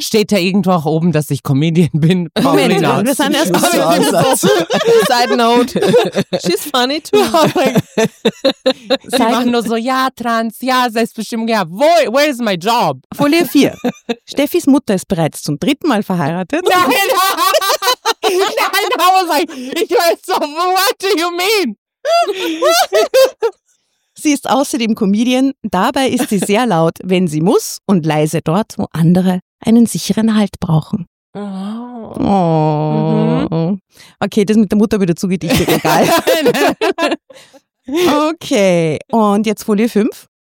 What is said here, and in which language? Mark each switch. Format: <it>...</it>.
<de>Steht da irgendwo auch oben, dass ich Comedian bin? Moment, wir sind erst mal so</de> <en>Side note. She's funny too.</en> <de>Sie machen nur so, ja, trans, ja, Selbstbestimmung, ja.</de> <en>Where is my job?</en> <de>Folie 4. Steffis Mutter ist bereits zum dritten Mal verheiratet. Nein, nein,</de> <en>I was like,</en> <de>ich weiß so,</de> <en>what do you mean?</en> <de>Sie ist außerdem Comedian, dabei ist sie sehr laut, wenn sie muss, und leise dort, wo andere einen sicheren Halt brauchen. Oh. Mhm. Okay, das mit der Mutter wieder zugedichtet, egal. Okay, und jetzt Folie 5.</de>